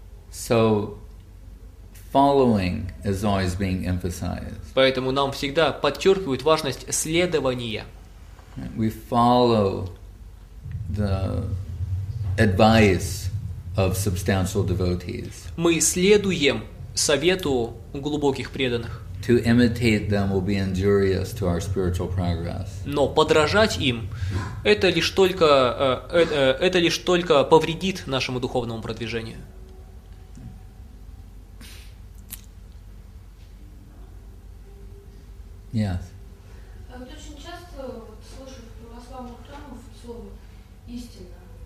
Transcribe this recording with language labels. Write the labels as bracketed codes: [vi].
[en] So, following is always being emphasized. [ru] Поэтому нам всегда подчеркивают важность следования. [en] We follow the advice of substantial devotees. [ru] Мы следуем совету глубоких преданных. [en] To imitate them will be injurious to our spiritual progress. [ru] Но подражать им это лишь только повредит нашему духовному продвижению. [en] Yes. [ru] Вот очень часто слушают в православных храмах слово истина.